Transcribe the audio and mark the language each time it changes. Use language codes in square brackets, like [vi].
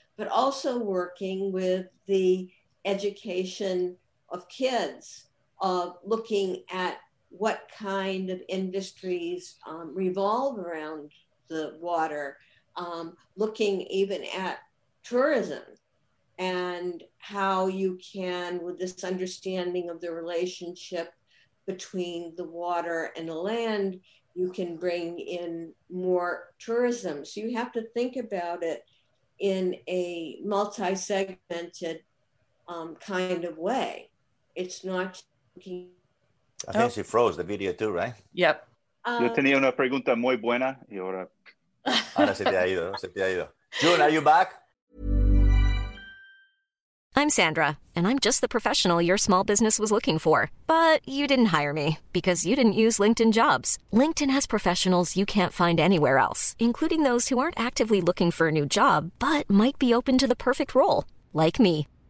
[en] But also working with the education of kids, of looking at what kind of industries revolve around the water, looking even at tourism, and how you can, with this understanding of the relationship between the water and the land, you can bring in more tourism. So you have to think about it in a multi-segmented kind of way. It's not... I think she froze the video too, right? Yep. [es] Yo tenía una pregunta muy buena y ahora... Ahora se te ha ido, se te ha ido. [en] June, are you back? I'm Sandra, and I'm just the professional your small business was looking for. But you didn't hire me, because you didn't use LinkedIn Jobs. LinkedIn has professionals you can't find anywhere else, including those who aren't actively looking for a new job, but might be open to the perfect role, like me.